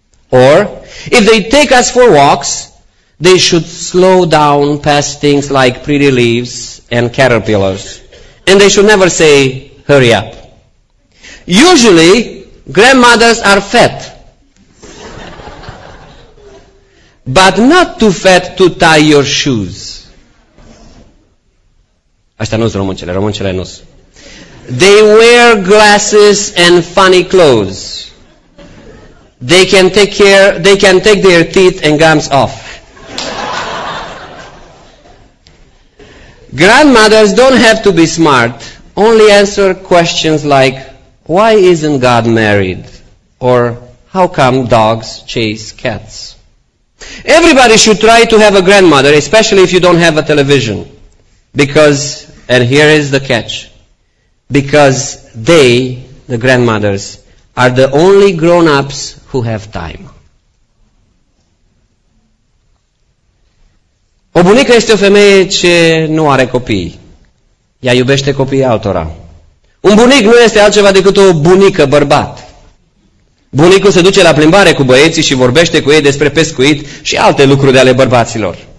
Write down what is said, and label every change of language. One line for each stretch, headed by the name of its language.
English: Or, if they take us for walks, they should slow down past things like pretty leaves and caterpillars. And they should never say, hurry up. Usually, grandmothers are fat. But not too fat to tie your shoes.
Romanian: Aștia nu-s româncele, româncele nu-s.
English: They wear glasses and funny clothes. They can take their teeth and gums off. Grandmothers don't have to be smart. Only answer questions like, why isn't God married? Or how come dogs chase cats? Everybody should try to have a grandmother, especially if you don't have a television. Because, and here is the catch, because they, the grandmothers, are the only grown-ups who have time.
Romanian: O bunică este o femeie ce nu are copii. Ea iubește copiii altora. Un bunic nu este altceva decât o bunică bărbat. Bunicul se duce la plimbare cu băieții și vorbește cu ei despre pescuit și alte lucruri ale bărbaților.